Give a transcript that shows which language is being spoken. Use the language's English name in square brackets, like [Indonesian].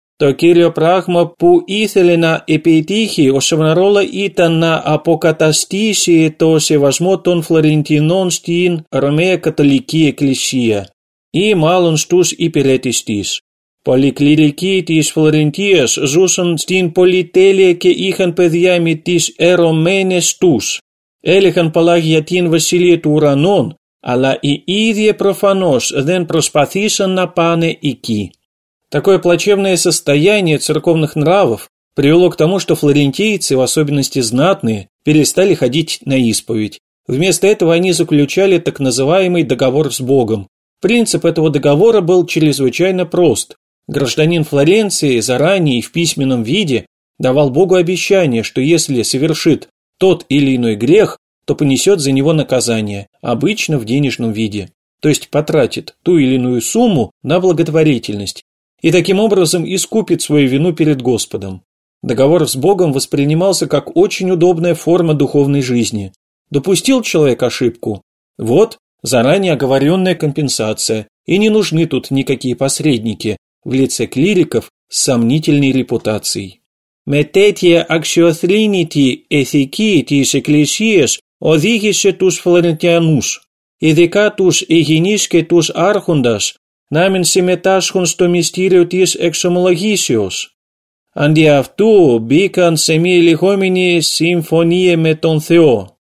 [Greek] Το κύριο πράγμα που ήθελε να επιτύχει ο Σαβονάρολα ήταν να αποκαταστήσει το σεβασμό των Φλωρεντινών στην Ρωμαία Κατολική Εκκλησία ή μάλλον στους υπηρέτες της. Πολλοί κληρικοί της Φλωρεντίας ζούσαν στην πολυτέλεια και είχαν παιδιά με τις ερωμένες τους. Έλεγαν πολλά για την Βασιλεία του Ουρανών, αλλά οι ίδιοι προφανώς δεν προσπαθήσαν να πάνε εκεί. [Russian] Такое плачевное состояние церковных нравов привело к тому, что флорентийцы, в особенности знатные, перестали ходить на исповедь. Вместо этого они заключали так называемый договор с Богом. Принцип этого договора был чрезвычайно прост. Гражданин Флоренции заранее и в письменном виде давал Богу обещание, что если совершит тот или иной грех, то понесет за него наказание, обычно в денежном виде, то есть потратит ту или иную сумму на благотворительность и таким образом искупит свою вину перед Господом. Договор с Богом воспринимался как очень удобная форма духовной жизни. Допустил человек ошибку? Вот заранее оговоренная компенсация, и не нужны тут никакие посредники в лице клириков с сомнительной репутацией. [Greek] Με τέτοια αξιοθρήνητη ηθική της Εκκλησίας οδήγησε τους Φλωρεντιανούς, ειδικά τους υγιεινείς και τους άρχοντας, να μην συμμετάσχουν στο μυστήριο της εξομολογήσεως. Αντί αυτού μπήκαν σε μία ηλεγόμενη συμφωνία με τον Θεό.